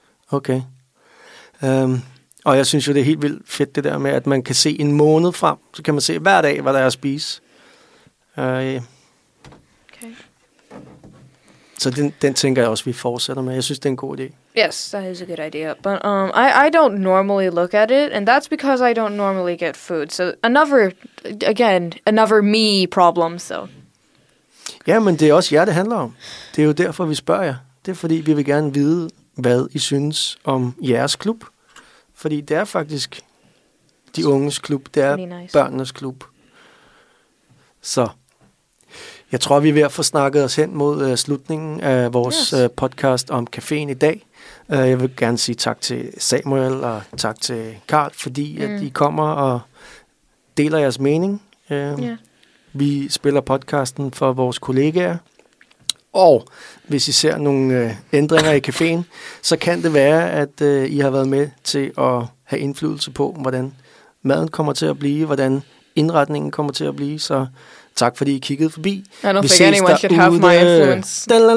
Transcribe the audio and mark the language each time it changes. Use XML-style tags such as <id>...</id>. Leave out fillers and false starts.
<en>Okay.</en> <da>Og jeg synes jo, det er helt vildt fedt det der med, at man kan se en måned frem, så kan man se hver dag, hvad der er at spise.</da> <en>Okay.</en> <da>Så den tænker jeg også, vi fortsætter med. Jeg synes, det er en god idé.</da> <en>Yes, that is a good idea. But I don't normally look at it, and that's because I don't normally get food. So another me problem, so.</en> <da>Ja, men det er også jer, det handler om. Det er jo derfor, vi spørger jer. Det er fordi, vi vil gerne vide, hvad I synes om jeres klub. Fordi det er faktisk de unges klub. Det er nice. Børnenes klub. Så jeg tror, vi er ved at få snakket os hen mod slutningen af vores podcast om caféen i dag. Jeg vil gerne sige tak til Samuel og tak til Carl, fordi at I kommer og deler jeres mening. Vi spiller podcasten for vores kollegaer. Og hvis I ser nogle ændringer i caféen, så kan det være, at I har været med til at have indflydelse på, hvordan maden kommer til at blive, hvordan indretningen kommer til at blive. Så tak, fordi I kiggede forbi.</da> <en>I don't think anyone should have my influence.</en>